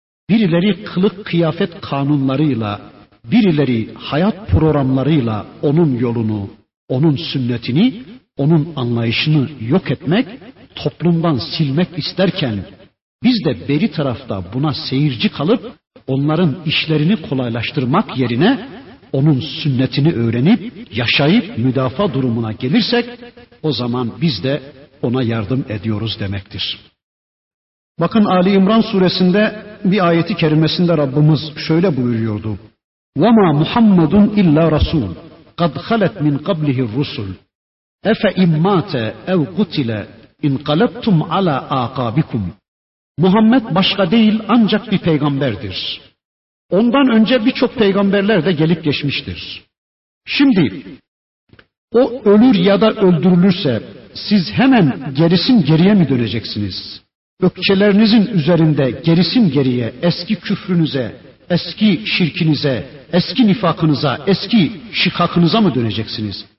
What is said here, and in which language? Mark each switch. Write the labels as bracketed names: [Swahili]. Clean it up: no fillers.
[Turkish] Birileri kılık kıyafet kanunlarıyla, birileri hayat programlarıyla onun yolunu, onun sünnetini, onun anlayışını yok etmek, toplumdan silmek isterken biz de beri tarafta buna seyirci kalıp onların işlerini kolaylaştırmak yerine onun sünnetini öğrenip yaşayıp müdafaa durumuna gelirsek o zaman biz de ona yardım ediyoruz demektir. Bakın Ali İmran suresinde bir ayeti kerimesinde Rabbimiz şöyle buyuruyordu. [Arabic] وَمَا مُحَمَّدٌ اِلَّا رَسُولٌ قَدْ خَلَتْ مِنْ قَبْلِهِ الرُّسُولُ اَفَاِمْ مَاتَ اَوْ قُتِلَ اِنْ قَلَبْتُمْ عَلَى اَقَابِكُمْ [Turkish] Muhammed başka değil ancak bir peygamberdir. Ondan önce birçok peygamberler de gelip geçmiştir. Şimdi o ölür ya da öldürülürse siz hemen gerisin geriye mi döneceksiniz? Ökçelerinizin üzerinde gerisin geriye eski küfrünüze, eski şirkinize, eski nifakınıza, eski şikakınıza mı döneceksiniz?